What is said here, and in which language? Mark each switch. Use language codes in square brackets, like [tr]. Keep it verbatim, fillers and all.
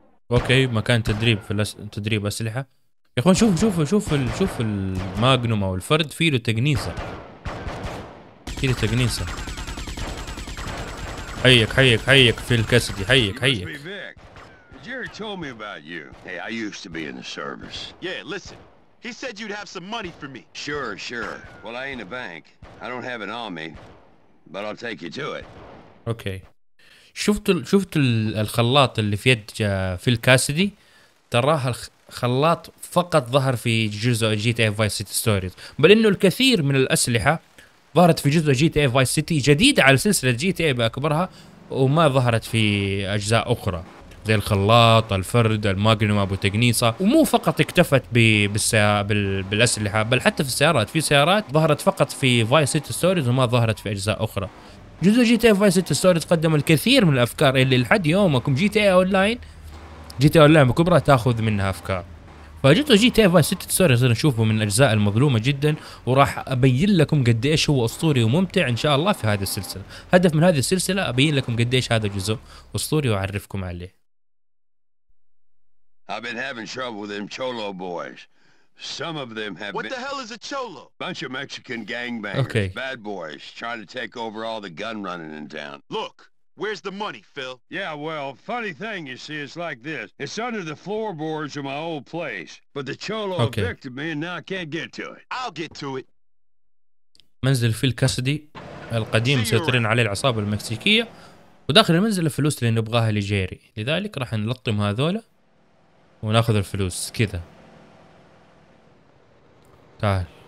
[ar] اوكي مكان تدريب في الأس... تدريب اسلحة. يا اخوان شوف شوف شوف ال... شوف الماجنوم او الفرد فيه له تجنيسة، فيه له تجنيسة. حيك حيك حيك في الكاسدي، حيك حيك. [en] Jerry told me about you. Hey, I used to be in the service. Yeah, listen. He said you'd have some money for me. Sure, sure. Well, I ain't a bank. I don't have it on me, but I'll take you to it. Okay. [ar] شفتوا شفتوا الخلاط اللي في يد فيل كاسدي؟ تراه الخلاط فقط ظهر في جزء جي تي اي فايس سيتي ستوريز، بل انه الكثير من الاسلحه ظهرت في جزء جي تي اي فايس سيتي جديد على سلسله جي تي اي باكبرها، وما ظهرت في اجزاء اخرى زي الخلاط، الفرد، الماجنوم، ابو تجنيصه. ومو فقط اكتفت بالسيا... بال... بالاسلحه، بل حتى في السيارات، في سيارات ظهرت فقط في فايس سيتي ستوريز وما ظهرت في اجزاء اخرى. جزء جي تي اي فايس سيتي ستوريز قدم الكثير من الافكار اللي لحد يومكم جي تي اي اونلاين جي تي اي اونلاين بكبرها تاخذ منها افكار. فجزء جي تي اي فايس سيتي ستوريز نشوفه من الاجزاء المظلومه جدا، وراح ابين لكم قد ايش هو اسطوري وممتع ان شاء الله في هذه السلسله. هدف من هذه السلسله ابين لكم قد ايش هذا الجزء اسطوري واعرفكم عليه. [en] I've been having trouble with them Cholo boys. Some of them have What been... the hell is a Cholo? Bunch of Mexican gangbangers, okay. Bad boys, trying to take over all the gun running in town. Look, where's the money, Phil? Yeah, well, funny thing, you see, it's like this. It's under the floorboards of my old place. But the Cholo okay. evicted me and now I can't get to it. I'll get to it. [ar] منزل فيل كاسدي القديم سيطرين عليه العصابة المكسيكية، وداخل المنزل الفلوس اللي نبغاها لجيري، لذلك راح نلطم هذولا وناخذ الفلوس كذا. تعال.